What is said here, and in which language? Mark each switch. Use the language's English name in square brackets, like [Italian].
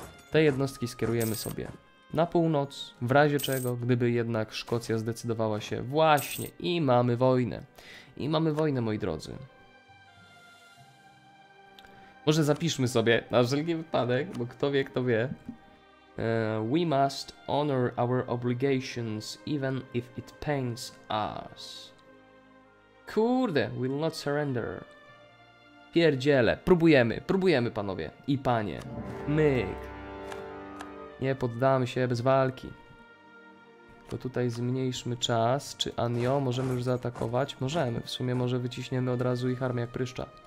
[Polish] Te jednostki skierujemy sobie na północ, w razie czego, gdyby jednak Szkocja zdecydowała się, właśnie, i mamy wojnę. I mamy wojnę, moi drodzy. Może zapiszmy sobie na wszelki wypadek, bo kto wie, kto wie. [English] We must honor our obligations, even if it pains us. [Polish] Kurde, [English] will not surrender. [Polish] Pierdziele, próbujemy panowie i panie. Myk. Nie poddamy się bez walki. To tutaj zmniejszmy czas. Czy Anio możemy już zaatakować? Możemy, w sumie może wyciśniemy od razu ich armię jak pryszcza.